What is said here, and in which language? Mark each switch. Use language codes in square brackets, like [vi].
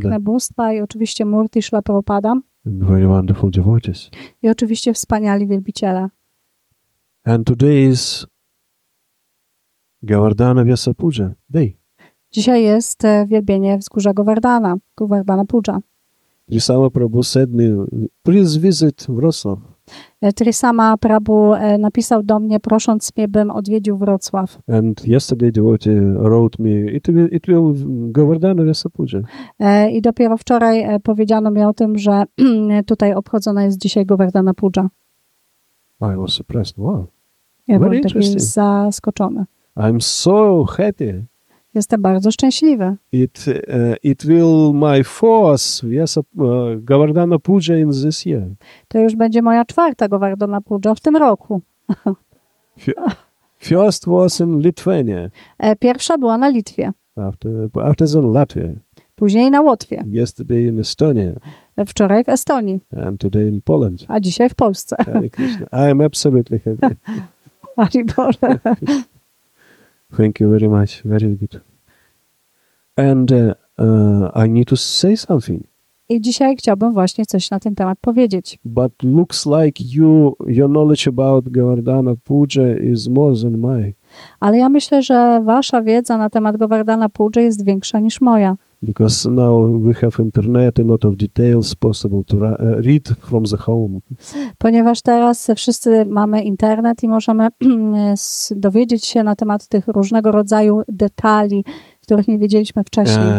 [pl] Piękne bóstwa i oczywiście Murti Śrīla Prabhupāda. [en] Very wonderful devotees. [pl] I oczywiście wspaniali wielbiciele. [en] And today is... Gavardhana Vyasa Puja Day. [pl] Dzisiaj jest wielbienie wzgórza Govardhana, Govardhana Puja. [en] Trisama Prabhu said me, please visit Wrocław. [pl] Trisama Prabhu napisał do mnie, prosząc mnie, bym odwiedził Wrocław. [en] And yesterday devotee wrote me, it will Govardhana Vyasa Puja. [pl] I dopiero wczoraj powiedziano mi o tym, że tutaj obchodzona jest dzisiaj Govardhana Puja. [en] I was surprised, wow. [pl] Ja [en] very interesting. [pl] Byłem taki zaskoczony. [en] I'm so happy. [pl] Jestem bardzo szczęśliwy. [en] It will my fourth Vyasa Govardhana Puja in this year. [pl] To już będzie moja czwarta Govardhana Puja w tym roku. [en] First was in Lithuania. [pl] Pierwsza była na Litwie. [en] After in Latvia. [pl] Później na Łotwie. [en] Yesterday in Estonia. [pl] Wczoraj w Estonii. [en] And today in Poland. [pl] A dzisiaj w Polsce. [en] I am absolutely happy. Hare Krishna. Thank you very much. Very good. And I need to say something. [pl] I dzisiaj chciałbym właśnie coś na ten temat powiedzieć. [en] But looks like your knowledge about Govardhana Puja is more than mine. [pl] Ale ja myślę, że wasza wiedza na temat Govardhana Puja jest większa niż moja. [en] Because now we have internet, a lot of details possible to read from the home. [pl] Ponieważ teraz wszyscy mamy internet i możemy dowiedzieć się na temat tych różnego rodzaju detali, których nie wiedzieliśmy wcześniej.